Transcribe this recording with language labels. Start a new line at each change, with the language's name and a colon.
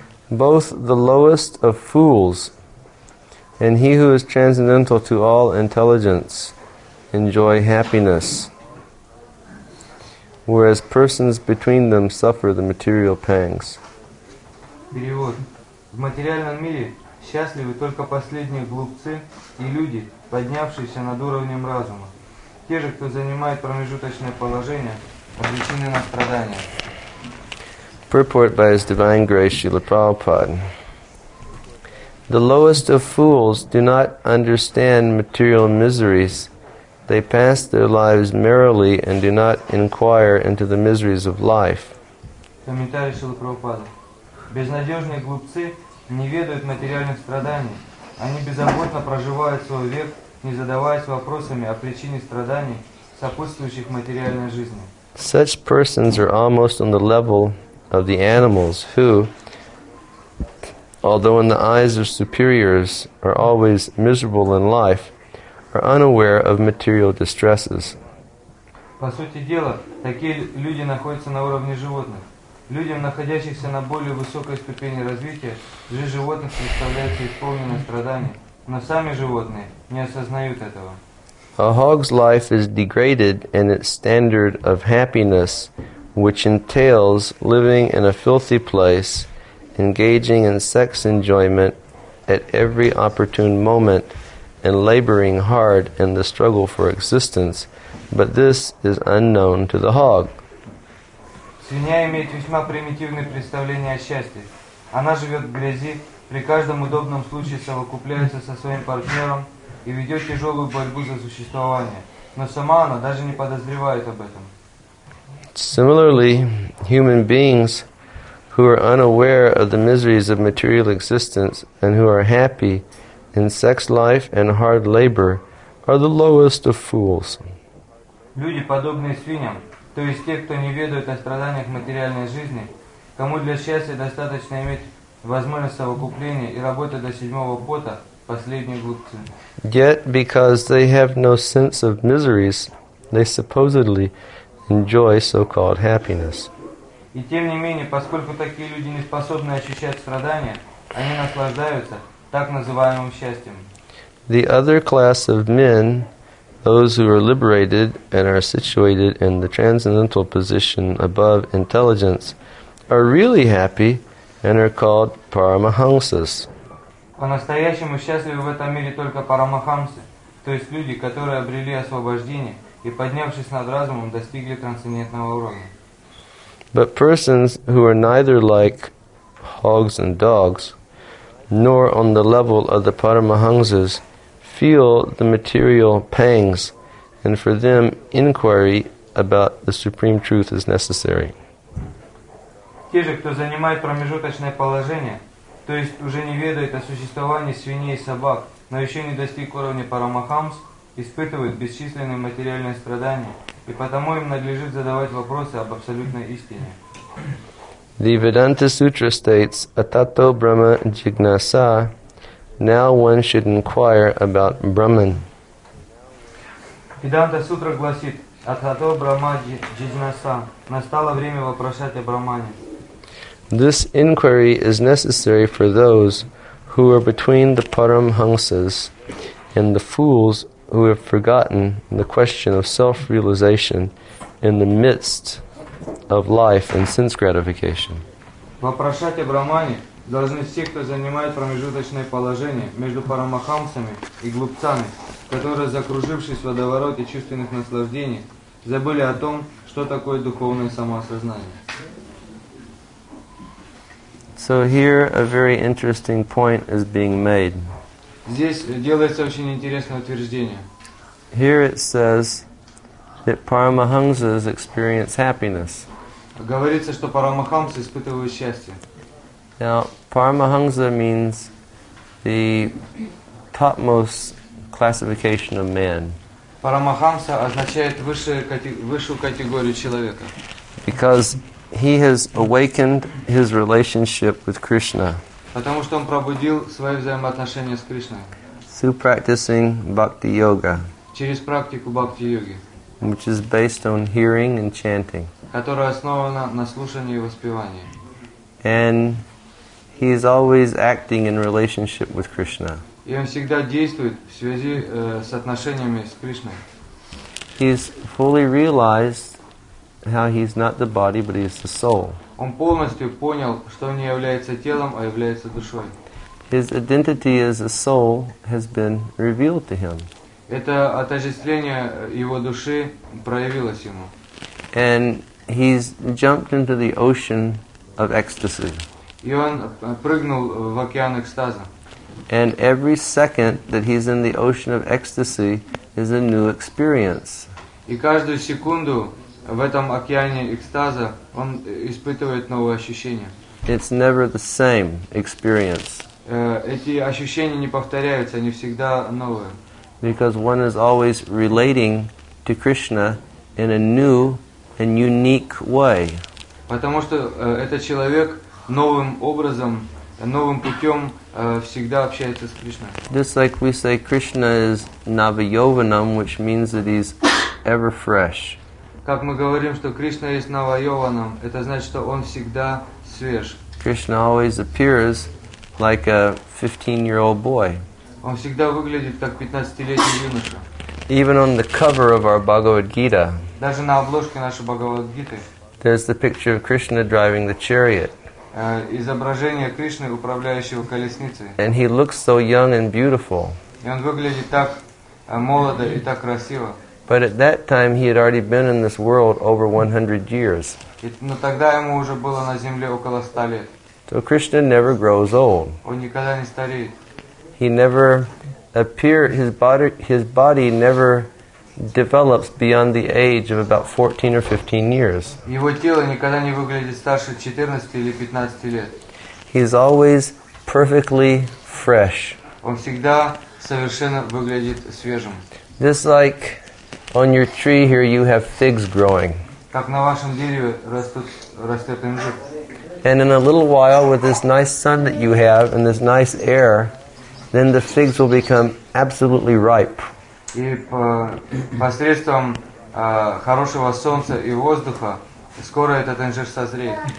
English: Both the lowest of fools and he who is transcendental to all intelligence enjoy happiness, whereas persons between them suffer the material pangs.
Russian: Перевод. В материальном мире счастливы только последние глупцы и люди, поднявшиеся над уровнем разума. Те же, кто занимает промежуточное положение, обречены на страдания.
English: Purport by His Divine Grace Srila Prabhupada. The lowest of fools do not understand material miseries. They pass their lives merrily and do not inquire into the miseries of life.
Russian: Комментарий Шрилы Прабхупады. Безнадежные глупцы не ведают материальных страданий. Они беззаботно проживают свой век, не задаваясь вопросами о причине страданий, сопутствующих материальной жизни.
English: Such persons are almost on the level of the animals who, although in the eyes of superiors, are always miserable in life, are unaware of material distresses.
Russian: По сути дела, такие люди находятся на уровне животных. Людям, находящихся на более высокой ступени развития, жизнь животных представляется исполненной страданий. Но сами животные не осознают этого.
English: A hog's life is degraded in its standard of happiness, which entails living in a filthy place, engaging in sex enjoyment at every opportune moment, and laboring hard in the struggle for existence. But this is unknown to the hog.
Russian: Свинья имеет весьма примитивные представления о счастье. Она живет в грязи, при каждом удобном случае совокупляется со своим партнером и ведет тяжелую борьбу за существование. Но сама она даже не подозревает об этом.
English: Similarly, human beings who are unaware of the miseries of material existence and who are happy in sex life and hard labor are the lowest of fools.
Russian: Люди, подобные свиньям, то есть те, кто не ведают о страданиях материальной жизни, кому для счастья достаточно иметь возможность совокупления и работы до седьмого пота, последние глупцы.
English: Yet, because they have no sense of miseries, they supposedly enjoy so-called happiness.
Russian: И тем не менее, поскольку такие люди не способны ощущать страдания, они наслаждаются так называемым счастьем.
English: The other class of men, those who are liberated and are situated in the transcendental position above intelligence, are really happy and are called paramahamsas.
Russian: По-настоящему счастливы в этом мире только парамахамсы, то есть люди, которые обрели освобождение и, поднявшись над разумом, достигли трансцендентного уровня.
English: But persons who are neither like hogs and dogs, nor on the level of the paramahamsas, feel the material pangs, and for them inquiry about the supreme truth is necessary.
Russian: Те же, кто занимает промежуточное положение, то есть уже не ведает о существовании свиней и собак, но еще не достиг уровня парамахамс, испытывают бесчисленные материальные страдания, и потому им надлежит задавать вопросы об абсолютной истине.
English: The Vedanta Sutra states, Atato Brahma Jignasa, now one should inquire about Brahman.
Russian: Vedanta Sutra гласит, Atato Brahma Jignasa, настало время вопрошать о Брахмане.
English: This inquiry is necessary for those who are between the Paramhamsas and the fools who have forgotten the question of self-realization in the midst of life and sense gratification.
Russian: Вопрошать о Брахмане должны все, кто занимает промежуточное положение между парамахамсами и глупцами, которые, закружившись в водовороте чувственных наслаждений, забыли о том, что такое духовное самоосознание.
English: So here a very interesting point is being made.
Russian: Здесь делается очень интересное утверждение.
English: Here it says that paramahamsas experience happiness.
Russian: Говорится, что парамахамсы испытывают счастье.
English: Now, paramahamsa means the topmost classification of man.
Russian: Парамахамса означает высшую категорию человека.
English: Because he has awakened his relationship with Krishna.
Russian: Потому что он пробудил свои взаимоотношения с Кришной.
English: Through practicing bhakti yoga.
Russian: Через практику бхакти йоги.
English: Which is based on hearing and chanting.
Russian: Которая основана на слушании и воспевании.
English: And he is always acting in relationship with Krishna.
Russian: И он всегда действует в связи с отношениями с Кришной.
English: He is fully realized how he's not the body, but he is the soul.
Russian: Он полностью понял, что он не является телом, а является душой.
English: His identity as a soul has been revealed to him.
Russian: Это отождествление его души проявилось ему.
English: And he's jumped into the ocean of ecstasy.
Russian: И он прыгнул в океан экстаза.
English: And every second that he's in the ocean of ecstasy is a new experience.
Russian: И каждую секунду в этом океане экстаза он испытывает новые ощущения.
English: It's never the same experience.
Russian: Эти ощущения не повторяются, они всегда новые.
English: Because one is always relating to Krishna in a new and unique way.
Russian: Потому что этот человек новым образом, новым путем всегда общается с Кришной.
English: Just like we say Krishna is Navayovanam, which means that he's ever fresh.
Russian: Как мы говорим, что Кришна есть Навайованам, это значит, что он всегда свеж.
English: Krishna always appears like a 15-year-old boy.
Russian: Он всегда выглядит как 15-летний юноша.
English: Even on the cover of our Bhagavad Gita.
Russian: Даже на обложке нашей Бхагавад Гиты.
English: There's the picture of Krishna driving the chariot.
Russian: Изображение Кришны, управляющего колесницей.
English: And he looks so young and beautiful.
Russian: И он выглядит так молодо и так красиво.
English: But at that time he had already been in this world over 100 years.
Russian: Но тогда ему уже было на земле около 100 лет.
English: So Krishna never grows old.
Russian: Он никогда не стареет.
English: He never appears, his body never develops beyond the age of about 14 or 15 years.
Russian: Его тело никогда не выглядит старше 14 или 15 лет.
English: He's always perfectly fresh.
Russian: Он всегда совершенно выглядит свежим.
English: Just like on your tree here you have figs growing.
Russian: Как на вашем дереве растет инжир.
English: And in a little while with this nice sun that you have and this nice air, then the figs will become absolutely ripe.
Russian: И посредством хорошего солнца и воздуха скоро этот инжир созреет.